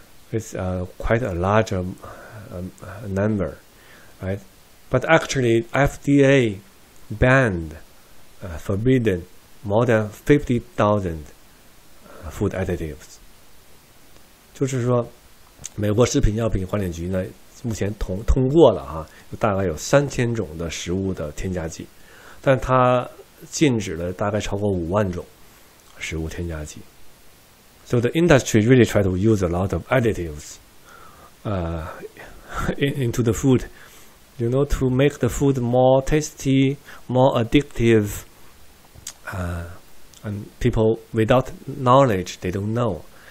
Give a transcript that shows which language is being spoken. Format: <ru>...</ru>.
<en>It's quite a large number, right? But actually, FDA banned, forbidden more than 50,000 food additives.</en> <zh>就是说, 美国食品药品管理局呢, 目前通过了啊, 大概有 3,000种的食物的添加剂, 但它禁止了大概超过 5万种食物添加剂。</zh> <en>So the industry really tried to use a lot of additives into the food, you know, to make the food more tasty, more addictive. And people without knowledge, they don't know.</en>